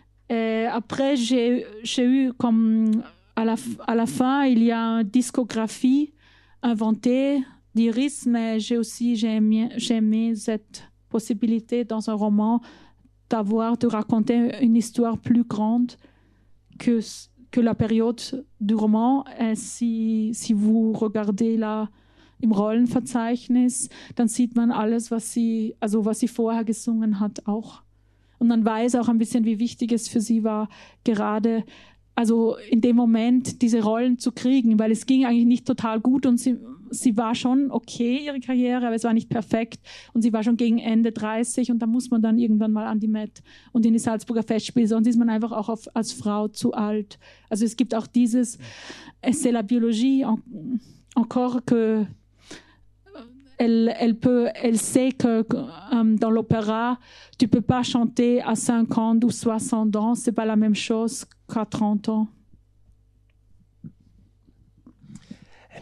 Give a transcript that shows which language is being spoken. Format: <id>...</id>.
<fr>Et après, j'ai eu comme à la fin, il y a une discographie inventée lyrisme, mais j'ai aussi aimé cette possibilité dans un roman d'avoir, de raconter une histoire plus grande que la période du roman. Et si vous regardez là</fr> <de>im Rollenverzeichnis, dann sieht man alles, was sie vorher gesungen hat, auch. Und man weiß auch ein bisschen, wie wichtig es für sie war, gerade also in dem Moment diese Rollen zu kriegen, weil es ging eigentlich nicht total gut und sie war schon okay, ihre Karriere, aber es war nicht perfekt und sie war schon gegen Ende 30 und da muss man dann irgendwann mal an die Met und in die Salzburger Festspiele, sonst ist man einfach auch als Frau zu alt. Also es gibt auch dieses</de> <fr>«C'est la biologie encore que elle sait que dans l'opéra, tu peux pas chanter à 50 ou 60 ans, c'est pas la même chose qu'à 30 ans. »</fr>